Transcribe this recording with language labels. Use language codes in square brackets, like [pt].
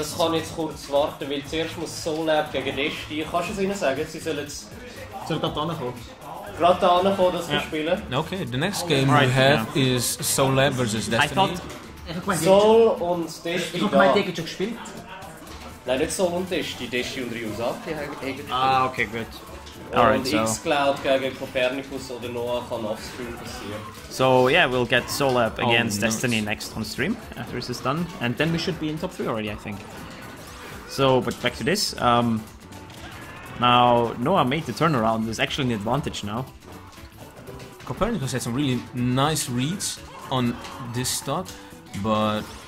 [de] Das kann jetzt kurz warten, weil zuerst muss Solab gegen Desti. Kannst du es ihnen sagen? Sie sollen jetzt. Soll gerade da kommen? Gerade da kommen, dass wir spielen. [en] Okay, the next game we have is Solab versus Destiny. I thought. [de] Sol und Desti. Ich habe meinen Degen schon gespielt. Nein, nicht Sol und Desti. Desti und Ryusa. Okay, gut. Und X-Cloud gegen Copernicus oder Noah kann offscreen passieren. [en] So, we'll get Solab against Destiny next on stream, after this is done. And then we should be in top 3 already, I think. So, but back to this. Now, Noah made the turnaround. There's actually an advantage now. Copernicus had some really nice reads on this stock, but...